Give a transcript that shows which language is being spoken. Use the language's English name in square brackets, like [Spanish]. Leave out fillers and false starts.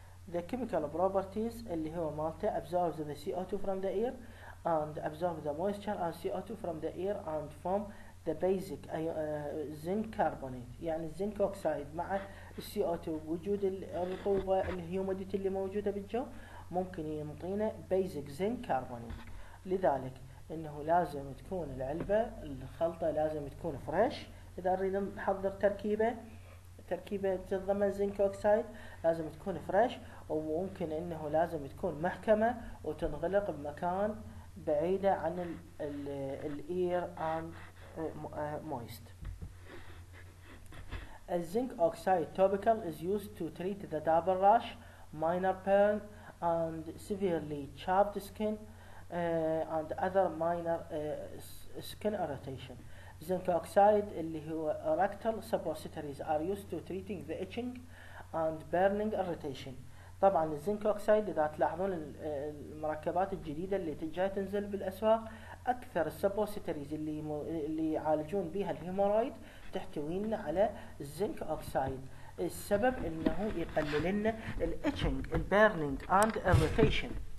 [English] the chemical properties [Arabic] اللي هو مالته [English] absorb the C O 2 from the air and absorb the moisture and CO2 from the air and form the basic zinc carbonate [Arabic] يعني الزنك أوكسيد مع CO2 وجود الرطوبة الهيوميديتي اللي موجودة بالجو ممكن يعطينا basic zinc carbonate لذلك انه لازم تكون العلبة الخلطة لازم تكون fresh اذا اريد نحضر تركيبة تتضمن زنك أوكسيد لازم تكون fresh وممكن انه لازم تكون محكمة وتنغلق بمكان بعيدة عن الـ [English] air and moist. A zinc oxide topical is used to treat the double rash, minor burn, and severely chapped skin, and other minor skin irritation. Zinc oxide [Arabic] اللي هو [English] rectal suppositories are used to treating the itching and burning irritation. [Arabic] طبعا الزنك اوكسيد اذا تلاحظون المركبات الجديده اللي تجاه تنزل بالاسواق اكثر السبوستريز اللي يعالجون بها الهيمورويد تحتوينا على الزنك اوكسيد السبب انه يقلل لنا الاتشنج البيرنينج اند الريتيشن